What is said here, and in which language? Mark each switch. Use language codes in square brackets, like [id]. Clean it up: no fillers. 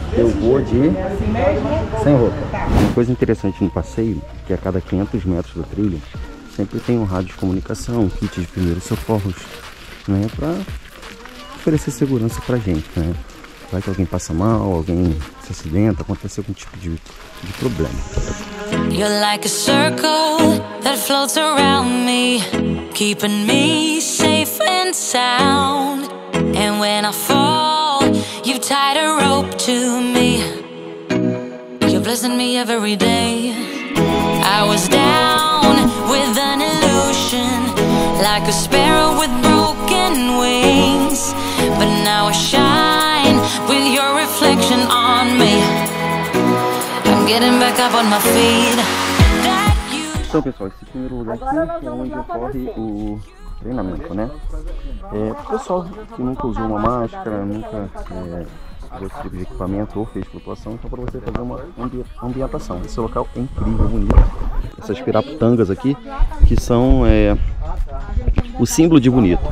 [pt] Eu vou de sem roupa. Uma coisa interessante no passeio é que a cada 500 metros do trilho sempre tem um rádio de comunicação, um kit de primeiros socorros, né, para oferecer segurança pra gente, né? Vai que alguém passa mal, alguém se acidenta, acontece algum tipo de problema. [en] You're like a circle that floats around me, keeping me safe and sound. And when I fall, you've tied a rope to me. You're blessing me every day. I was down with an illusion, like a sparrow with broken wings. But now I shine with your reflection on me. I'm getting back up on my feet. [pt] Então, pessoal, esse primeiro lugar aqui é onde ocorre o treinamento, né? Pessoal que nunca usou uma máscara, nunca usou esse tipo de equipamento ou fez flutuação, então para você fazer uma ambientação. Esse local é incrível, bonito. Essas piraputangas aqui, que são o símbolo de Bonito.